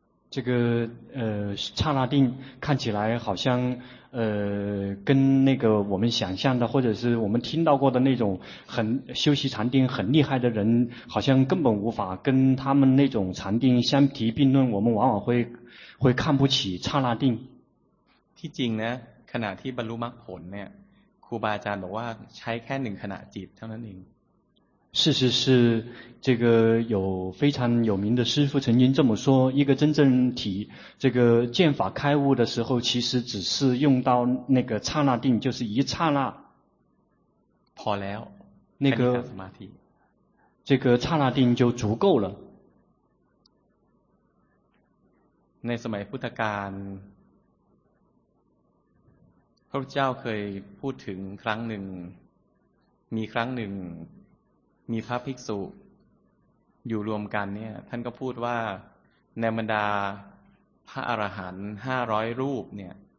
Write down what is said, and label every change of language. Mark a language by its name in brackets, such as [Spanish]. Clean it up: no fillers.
[Chinese] 这个刹那定看起来好像跟那个我们想象的或者是我们听到过的那种很修习禅定很厉害的人好像根本无法跟他们那种禅定相提并论我们往往会看不起刹那定 [Thai] ที่จริงนะขณะที่บรรลุมรรคผลเนี่ยครูบาอาจารย์บอกว่าใช้แค่หนึ่งขณะจิตเท่านั้นเอง [Chinese] 事实是这个有非常有名的师父曾经这么说一个真正体这个见法开悟的时候其实只是用到那个刹那定就是一刹那跑了那个这个刹那定就足够了 [Thai] ในสมัยพุทธกาลพระพุทธเจ้าเคยพูดถึงครั้งหนึ่งมีครั้งหนึ่งมีพระภิกษุอยู่รวมกันเนี่ยท่านก็พูดว่าในบรรดาพระอรหันต์500รูปเนี่ย